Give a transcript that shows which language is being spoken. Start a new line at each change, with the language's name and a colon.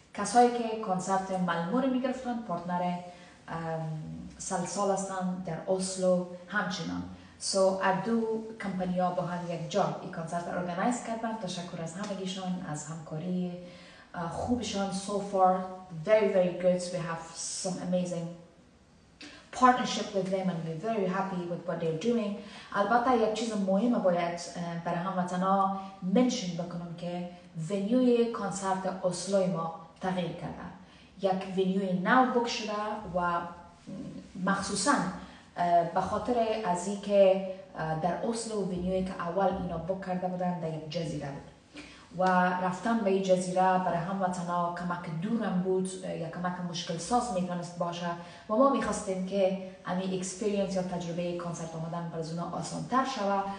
Persian: کسایی که کنسرت ملمو رو میگرفتن پارتنر سلسال هستن در اسلو همچنان.
English: so دو
Persian: کمپانی ها با هم یک جا این کنسرت رو ارگنایز کردن. تشکر از همگیشان، از همکاری خوبشان.
English: So far very very good. We have some amazing partnership with them and we're very happy with what they're doing.
Persian: البته یک چیز مهمه باید برای هموطنا منشن بکنم که ونیوی کنسرت اسلوی ما تغییر کرده. یک ونیوی نو بک شده و مخصوصا بخاطر از این که در اسلو ونیوی که اول اینا بک کرده بودن در یک جزیره بود و رفتن به این جزیره برای هموطنا کمک دورم بود یا کمک مشکل ساز میتونست باشه و ما میخواستیم که همین اکسپریانس یا تجربه کنسرت آمدن برای اونا آسان تر شوه.